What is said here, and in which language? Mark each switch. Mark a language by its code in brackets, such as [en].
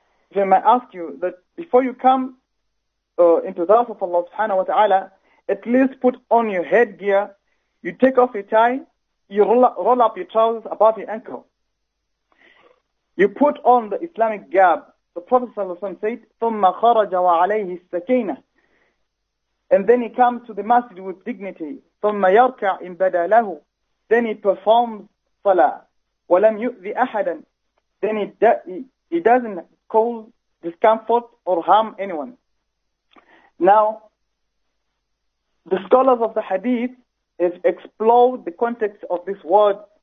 [en] If I might ask you that before you come into the house of Allah subhanahu wa ta'ala, at least put on your headgear, you take off your tie, you roll up your trousers above your ankle. You put on the Islamic garb. The Prophet ﷺ said, [ar] ثُمَّ خَرَجَ وَعَلَيْهِ السَّكِينَةِ. [en] And then he comes to the masjid with dignity. [ar] ثُمَّ يَرْكَعْ إِنْ بَدَى لَهُ. [en] Then he performs salah. [ar] وَلَمْ يُؤْذِ أَحَدًا. [en] Then he doesn't cause discomfort or harm anyone. Now, the scholars of the hadith has explored the context of this word.